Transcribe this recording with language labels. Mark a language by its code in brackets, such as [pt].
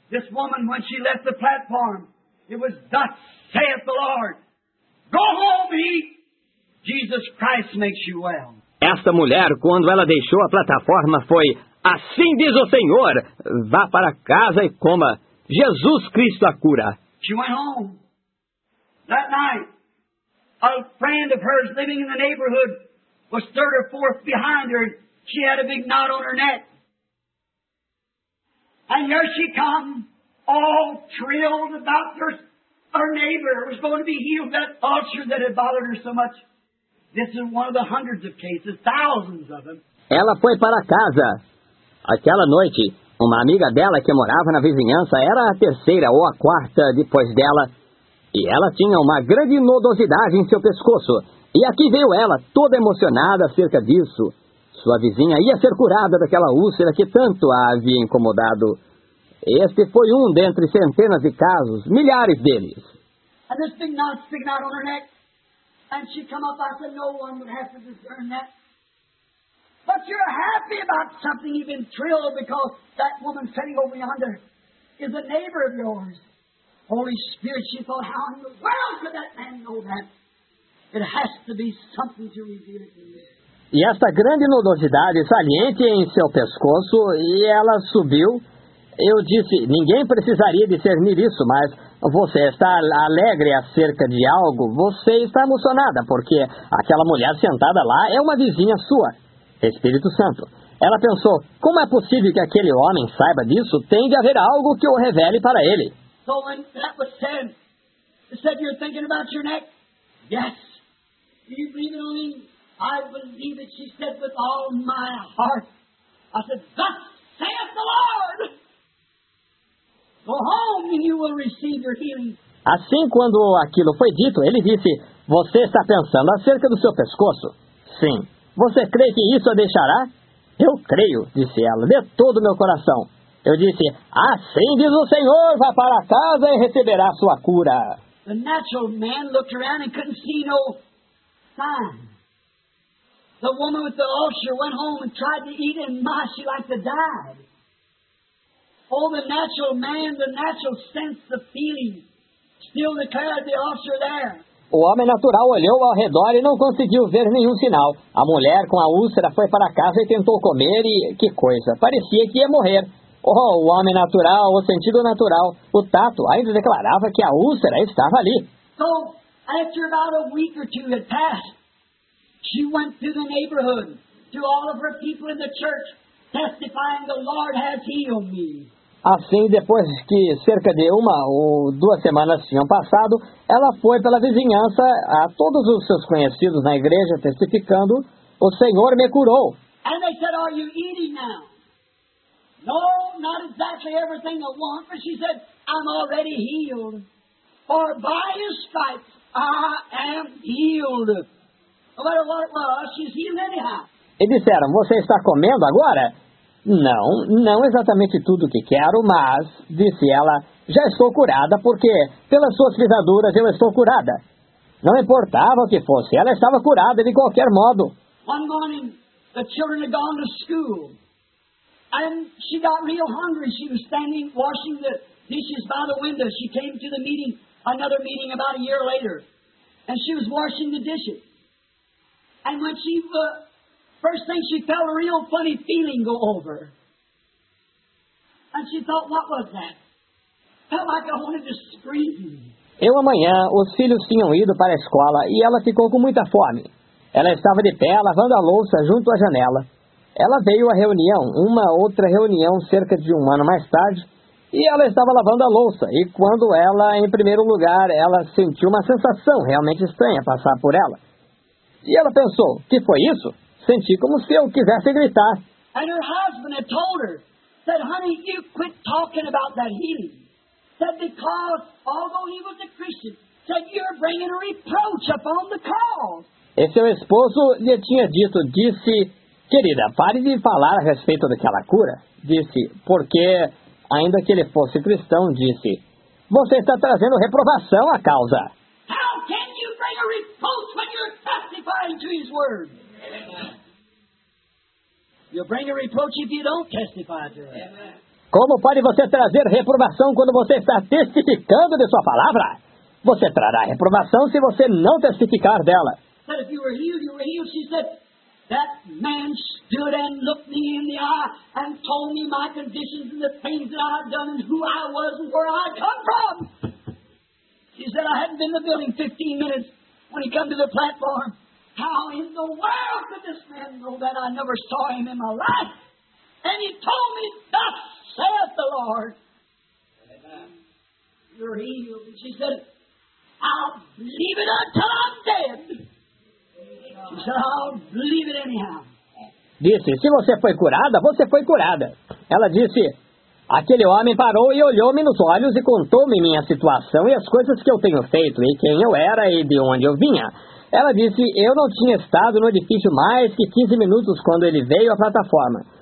[en] This woman, when she left the platform, it was thus saith the Lord, go home, ye! Jesus Christ makes you well. [pt] Esta mulher, quando ela deixou a plataforma, foi, assim diz o Senhor, vá para casa e coma, Jesus Cristo a cura. [en] She went home. That night, a friend of hers living in the neighborhood was third or fourth behind her. She had a big knot on her neck. And here she come, all thrilled about her neighbor was going to be healed, that ulcer that had bothered her so much. This is one of the hundreds of cases, thousands of them. [pt] Ela foi para casa. Aquela noite... Uma amiga dela que morava na vizinhança era a terceira ou a quarta depois dela. E ela tinha uma grande nodosidade em seu pescoço. E aqui veio ela, toda emocionada acerca disso. Sua vizinha ia ser curada daquela úlcera que tanto a havia incomodado. Este foi um dentre centenas de casos, milhares deles. E essa coisa não se sentiu no seu peito. E ela chegou e disse que ninguém deveria discernir isso. [en] But you're happy about something, you've been thrilled because that woman sitting over yonder is a neighbor of yours. Holy Spirit, she thought, how in the world could that man know that? It has to be something to reveal to you. [pt] E esta grande nodosidade saliente em seu pescoço, e ela subiu. Eu disse, ninguém precisaria discernir isso, mas você está alegre acerca de algo, você está emocionada, porque aquela mulher sentada lá é uma vizinha sua. Espírito Santo. Ela pensou, como é possível que aquele homem saiba disso? Tem de haver algo que o revele para ele. [en] So when that was said, he said, you're thinking about your neck? Yes. Do you believe it or me? I believe it, she said, with all my heart. I said, thus saith the Lord. Go home and you will receive your healing. [pt] Assim, quando aquilo foi dito, ele disse, você está pensando acerca do seu pescoço? Sim. Você crê que isso a deixará? Eu creio, disse ela, de todo o meu coração. Eu disse, assim diz o Senhor, vá para casa e receberá sua cura. [en] The natural man looked around and couldn't see no sign. The woman with the ulcer went home and tried to eat and my, she liked to die. Oh, the natural man, the natural sense of feeling, still declared the officer there. [pt] O homem natural olhou ao redor e não conseguiu ver nenhum sinal. A mulher com a úlcera foi para casa e tentou comer e... que coisa! Parecia que ia morrer. Oh, o homem natural, o sentido natural, o tato ainda declarava que a úlcera estava ali. [en] So, after about a week or two had passed, she went to the neighborhood, to all of her people in the church, testifying the Lord has healed me. [pt] Assim, depois que cerca de uma ou duas semanas tinham passado, ela foi pela vizinhança a todos os seus conhecidos na igreja, testificando, o Senhor me curou. [en] And they said, are you eating now? No, not exactly everything I want, but she said, I'm already healed. For by his stripes, I am healed. No matter what it was, she's healed anyhow. [pt] E disseram, você está comendo agora? Não, não exatamente tudo o que quero, mas, disse ela, já estou curada porque, pelas suas pisaduras, eu estou curada. Não importava o que fosse, ela estava curada de qualquer modo. [en] One morning, the children had gone to school, and she got real hungry. She was standing washing the dishes by the window. She came to the meeting, another meeting about a year later, and she was washing the dishes. And when she... First thing, she felt a real funny feeling go over. And she thought, what was that? Felt like I wanted to scream. [pt] E uma manhã, os filhos tinham ido para a escola e ela ficou com muita fome. Ela estava de pé, lavando a louça junto à janela. Ela veio à reunião, uma outra reunião, cerca de um ano mais tarde, e ela estava lavando a louça. E quando ela, em primeiro lugar, ela sentiu uma sensação realmente estranha passar por ela. E ela pensou, que foi isso? Senti como se eu quisesse gritar. [en] And her husband had told her, said, honey, you quit talking about that healing. Said, because, although he was a Christian, said, you're bringing a reproach upon the cause. [pt] E seu esposo lhe tinha dito, disse, querida, pare de falar a respeito daquela cura. Disse, porque, ainda que ele fosse cristão, disse, você está trazendo reprovação à causa. [en] How can you bring a reproach when you're testifying to his word? You bring a reproach if you don't testify to it. [pt] Como pode você trazer reprovação quando você está testificando de sua palavra? Você trará reprovação se você não testificar dela. [en] But if you were healed, you were healed. She said, that man stood and looked me in the eye and told me my conditions and the things that I had done and who I was and where I come from. She said, I hadn't been in the building 15 minutes when he came to the platform. How in the world could this man know that I never saw him in my life? And he told me, thus saith the Lord. Amen. You're healed. And she said, I'll believe it until I'm dead. She said, I'll believe it anyhow. [pt] Disse, se você foi curada, você foi curada. Ela disse, aquele homem parou e olhou-me nos olhos e contou-me minha situação e as coisas que eu tenho feito e quem eu era e de onde eu vinha. Ela disse, eu não tinha estado no edifício mais que 15 minutos quando ele veio à plataforma.